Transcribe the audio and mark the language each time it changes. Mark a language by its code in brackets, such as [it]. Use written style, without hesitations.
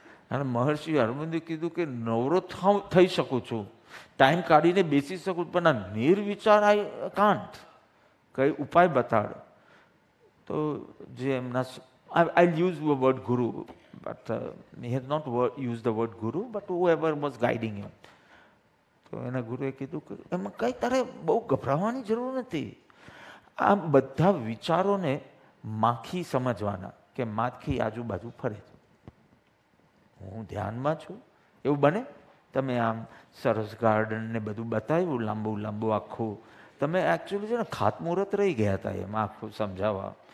[gu] અને મહર્ષિ અરવિંદે કીધું કે નવરો થઈ શકું છું, ટાઈમ કાઢીને બેસી શકું, પણ આ નિર્વિચાર [en] I can't, [gu] કઈ ઉપાય બતાડ. તો જે એમના [en] I'll use the word guru, but he has not used the word guru, but whoever was guiding him. [gu] So, એના ગુરુએ કીધું કે એમાં કંઈ તારે બહુ ગભરાવાની જરૂર નથી, આ બધા વિચારોને માખી સમજવાના, કે માખી આજુબાજુ ફરે છે, હું ધ્યાનમાં છું એવું બને. તમે આમ સરસ ગાર્ડન ને બધું બતાવ્યું, લાંબુ લાંબુ આખું, તમે એકચ્યુઅલી છે ને ખાતમુહૂર્ત રહી ગયા હતા એમાં આખું સમજાવવા.